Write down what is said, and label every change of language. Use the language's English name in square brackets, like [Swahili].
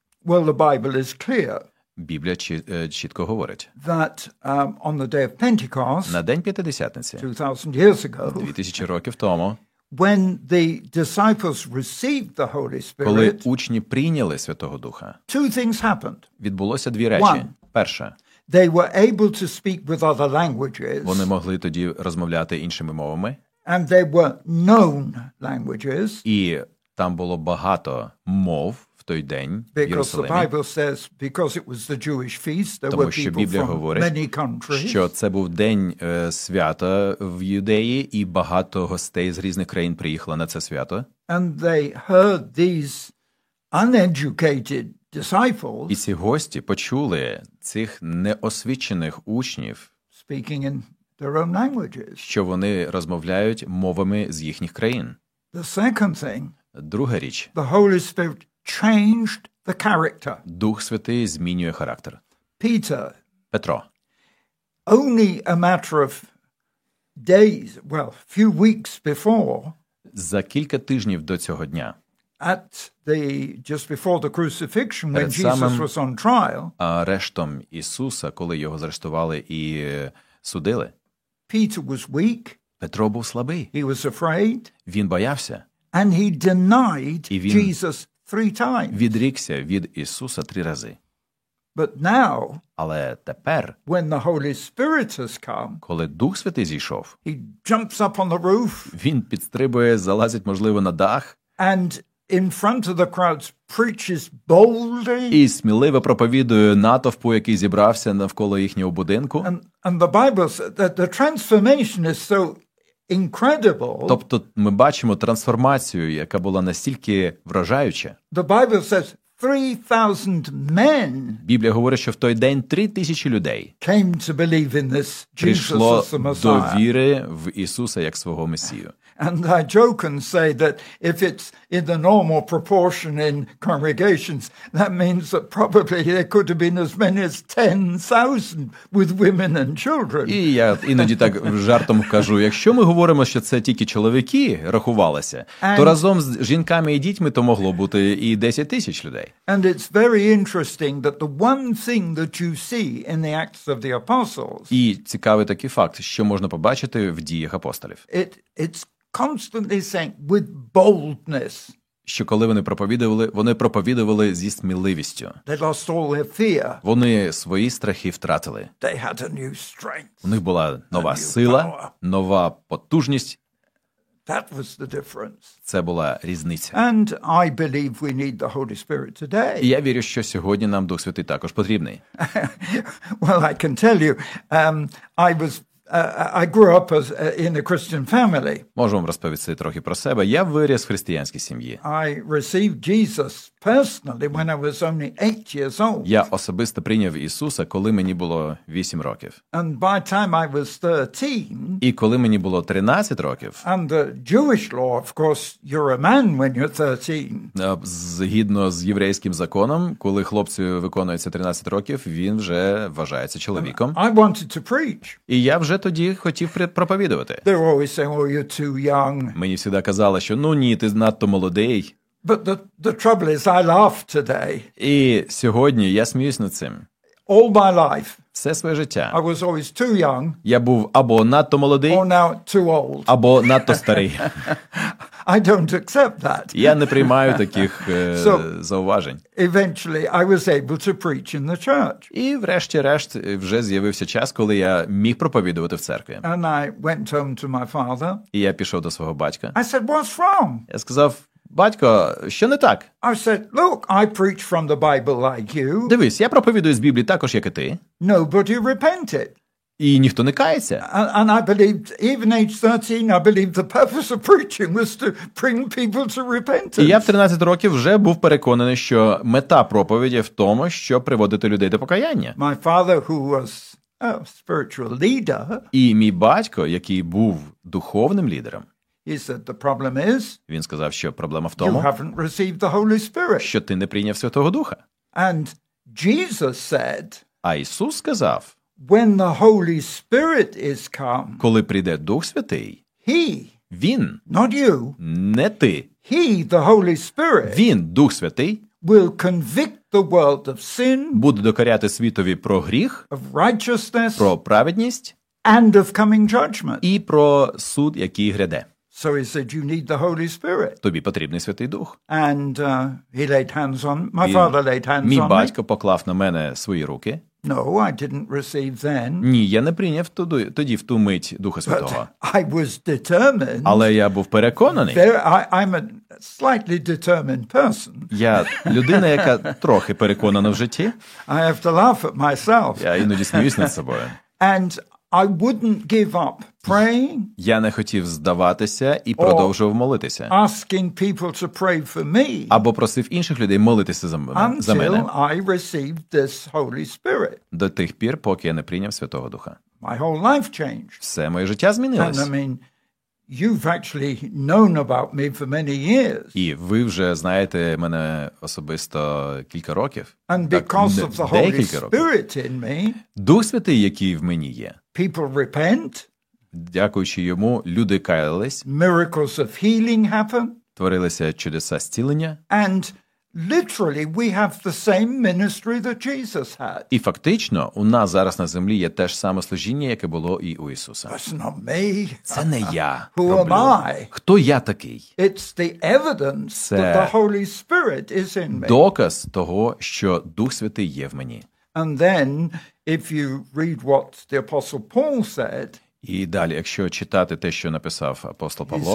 [English] Well, the Bible is clear. [Ukrainian] Біблія чітко говорить. [English] That on the day of Pentecost, [Ukrainian] на день П'ятидесятниці, [English] 2000 years ago, [Ukrainian] 2000 років тому, [English] when the disciples received the Holy Spirit, [Ukrainian] коли учні прийняли Святого Духа, [English] two things happened. [Ukrainian] Відбулося дві речі. [English] One, [Ukrainian] перше, [English] they were able to speak with other languages. [Ukrainian] Вони могли тоді розмовляти іншими мовами. [English] And they were known languages. [Ukrainian] І там було багато мов в той день в Єрусалимі. [English] Because the Bible says, because it was the Jewish feast, there were people from many countries. [Ukrainian] Що це був день свята в Юдеї, і багато гостей з різних країн приїхало на це свято. [English] And they heard these uneducated disciples. [Ukrainian] І ці гості почули цих неосвічених учнів [English] speaking in their own languages. [Ukrainian] Що вони розмовляють мовами з їхніх країн. [English] The second thing, [Ukrainian] друга річ. [English] The Holy Spirit changed the character. [Ukrainian] Дух Святий змінює характер. [English] Peter, [Ukrainian] Петро. [English] Only a matter of days, well, few weeks before, [Ukrainian] за кілька тижнів до цього дня, [English] at the just before the crucifixion, when Jesus was on trial, [Ukrainian] арештом Ісуса, коли його зарештували і судили, [English] Peter was weak. [Ukrainian] Петро був слабий. [English] He was afraid. [Ukrainian] Він боявся. [English] And he denied Jesus three times. [Ukrainian] Відрікся від Ісуса три рази. [English] But now, [Ukrainian] але тепер, [English] when the Holy Spirit has come, [Ukrainian] коли Дух Святий зійшов, [English] he jumps up on the roof. [Ukrainian] Він підстрибує, залазить, можливо, на дах. [English] And in front of the crowds preaches boldly. [Ukrainian] І сміливо проповідує натовпу, який зібрався навколо їхнього будинку. [English] And the Bible says that the transformation is so incredible. [Ukrainian] Тобто ми бачимо трансформацію, яка була настільки вражаюча. [English] The Bible says 3000 men. [Ukrainian] Біблія говорить, що в той день 3000 людей [English] came to believe in this Jesus as the Messiah. [Ukrainian] Прийшло до віри в Ісуса як свого Месію. [English] And I joke and say that if it's in the normal proportion in congregations, that means that probably there could have been as many as 10,000 with women and children. [Ukrainian] І я іноді так жартом кажу, якщо ми говоримо, що це тільки чоловіки рахувалися, то разом з жінками і дітьми то могло бути і 10 тисяч людей. [English] And it's very interesting that the one thing that you see in the Acts of the Apostles, [Ukrainian] і цікавий такий факт, що можна побачити в діях апостолів, [English] it's constantly saying with boldness, [Ukrainian] що коли вони проповідували зі сміливістю. [English] They lost all their fear. [Ukrainian] Вони свої страхи втратили. [English] They had a new strength. [Ukrainian] У них була нова сила, нова потужність. [English] That was the difference. [Ukrainian] Це була різниця. [English] And I believe we need the Holy Spirit today. [Ukrainian] Я вірю, що сьогодні нам Дух Святий також потрібний. [English] Well, I can tell you, I was I grew up as in a Christian family. [Ukrainian] Можу вам розповісти трохи про себе. Я виріс в християнській сім'ї. [English] I received Jesus personally when I was only 8 years old. [Ukrainian] Я особисто прийняв Ісуса, коли мені було 8 років. [English] And by time I was 13. [Ukrainian] І коли мені було 13 років. [English] Under Jewish law, of course, you're a man when you're 13. [Ukrainian] Згідно з єврейським законом, коли хлопцю виконується 13 років, він вже вважається чоловіком. [English] I wanted to preach. [Ukrainian] І я вже тоді хотів проповідувати. [English] They're always saying, oh, you're too young. [Ukrainian] Мені завжди казали, що ну ні, ти надто молодий. [English] But the trouble is, I laugh today. [Ukrainian] І сьогодні я сміюсь над цим. [English] All my life. [Ukrainian] Все своє життя. [English] I was always too young. [Ukrainian] Я був або надто молодий, [English] or now too old. [Ukrainian] Або надто старий. [English] I don't accept that. [Ukrainian] Я не приймаю таких so, зауважень. [English] Eventually I was able to preach in the church. [Ukrainian] І врешті-решт вже з'явився час, коли я міг проповідувати в церкві. [English] And I went home to my father. [Ukrainian] І я пішов до свого батька. [English] I said, "What's wrong?" [Ukrainian] Я сказав: "Батько, що не так?" [English] I said, "Look, I preach from the Bible like you." [Ukrainian] Дивись, я проповідую з Біблії також, як і ти. [English] Nobody repented. [Ukrainian] І ніхто не кається. [English] And I believed, even age 13, I believed the purpose of preaching was to bring people to repentance. [Ukrainian] І я в 13 років вже був переконаний, що мета проповіді в тому, щоб приводити людей до покаяння. [English] My father, who was a spiritual leader, [Ukrainian] і мій батько, який був духовним лідером, [English] he said the problem is, [Ukrainian] він сказав, що проблема в тому, [English] you haven't received the Holy Spirit. [Ukrainian] Що ти не прийняв Святого Духа. [English] And Jesus said, [Ukrainian] а Ісус сказав, [English] when the Holy Spirit is come, [Ukrainian] коли прийде Дух Святий, [English] he, [Ukrainian] він, [English] not you, [Ukrainian] не ти, [English] he, the Holy Spirit, [Ukrainian] він, Дух Святий, [English] will convict the world of sin, [Ukrainian] буде докоряти світові про гріх, [English] of righteousness, [Ukrainian] про праведність, [English] and of coming judgment, [Ukrainian] і про суд, який гряде. [English] So he said, you need the Holy Spirit. [Ukrainian] Тобі потрібний Святий Дух. [English] And he laid hands on, my father laid hands on me. [Ukrainian] Мій батько поклав на мене свої руки. [English] No, I didn't receive then. [Ukrainian] Ні, я не прийняв тоді в ту мить Духа Святого. [English] But I was determined. [Ukrainian] Але я був переконаний. [English] I'm a slightly determined person. [Ukrainian] Я людина, яка трохи переконана в житті. [English] I have to laugh at myself. [Ukrainian] Я іноді сміюсь над собою. [English] And I wouldn't give up praying. [Ukrainian] Я не хотів здаватися і продовжував молитися. [English] Asking people to pray for me. [Ukrainian] Або просив інших людей молитися за мене. [English] Until I received this Holy Spirit. [Ukrainian] До тих пір, поки я не прийняв Святого Духа. [English] My whole life changed. [Ukrainian] Все моє життя змінилось. [English] And I mean, you've actually known about me for many years. [Ukrainian] І ви вже знаєте мене особисто кілька років. [English] And because of the Holy Spirit in me. [Ukrainian] Дух Святий, який в мені є. [English] People repent. [Ukrainian] Дякуючи йому, люди каялись. [English] Miracles of healing happen. [Ukrainian] Творилися чудеса зцілення. [English] And literally we have the same ministry that Jesus had. [Ukrainian] І фактично у нас зараз на землі є те ж саме служіння, яке було і у Ісуса. [English] That's not me. [Ukrainian] Це не я. [English] Who am I? [Ukrainian] Хто я такий? [English] It's the evidence that the Holy Spirit is in me. [Ukrainian] Доказ того, що Дух Святий є в мені. [English] And then if you read what the apostle Paul said, [Ukrainian] і далі, якщо читати те, що написав апостол Павло,